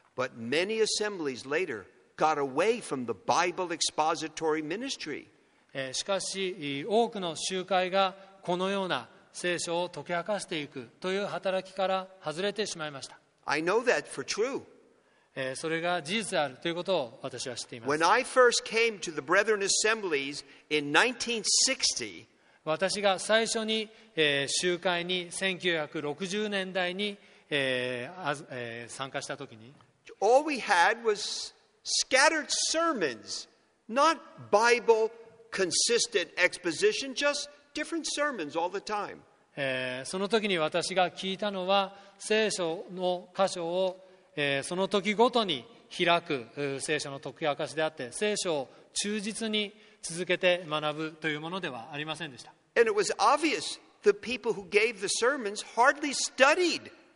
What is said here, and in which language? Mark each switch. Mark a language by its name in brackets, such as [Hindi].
[English] But many assemblies later got away from the Bible expository ministry. [Japanese] しかし多くの集会がこのような聖書を解き明かしていくという働きから外れてしまいました。 [English] I know that for true. [Japanese] それが事実であるということを私は知っています。 [English] When I first came to the Brethren Assemblies in 1960, [Japanese] 私が最初に、集会に1960年代に、参加したときに、 [English] All we had was scattered sermons, not Bible consistent exposition, just different sermons all the time. [Japanese] そのときに私が聞いたのは、聖書の箇所を、そのときごとに開く聖書の解き明かしであって、聖書を忠実に続けて学ぶというものではありませんでした。 [English] And it was obvious the people who gave the sermons hardly studied.